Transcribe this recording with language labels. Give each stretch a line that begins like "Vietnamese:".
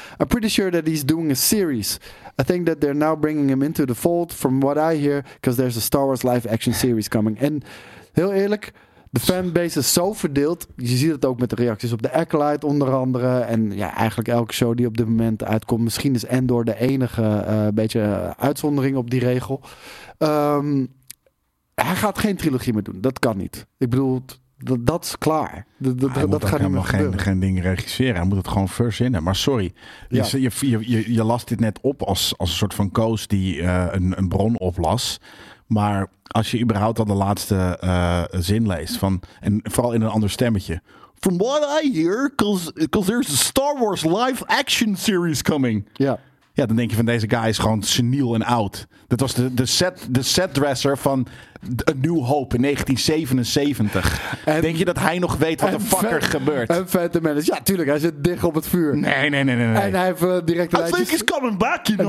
English: I'm pretty sure that he's doing a series. I think that they're now bringing him into the fold from what I hear, because there's a Star Wars live action series coming.
Dutch: En heel eerlijk, de fanbase is zo verdeeld. Je ziet het ook met de reacties op de Acolyte onder andere. En ja, eigenlijk elke show die op dit moment uitkomt. Misschien is Andor de enige beetje uitzondering op die regel. Hij gaat geen trilogie meer doen. Dat kan niet. Ik bedoel, dat is klaar. Dat gaat niet meer gebeuren. Hij moet geen dingen regisseren. Hij moet het gewoon verzinnen. Maar sorry, je las dit net op als een soort van Koos die een bron oplas. Maar als je überhaupt al de laatste zin leest, en vooral in een ander stemmetje.
English: From what I hear, because there's a Star Wars live action series coming.
Dutch: Ja. Ja, dan denk je van deze guy is gewoon seniel en oud. Dat was de set dresser van A New Hope in 1977. En, denk je dat hij nog weet wat de fuck er gebeurt? En Phantom Menace. Ja, tuurlijk. Hij zit dicht op het vuur. Nee. En hij heeft directe lijntjes.
English: I think he's coming back, you know.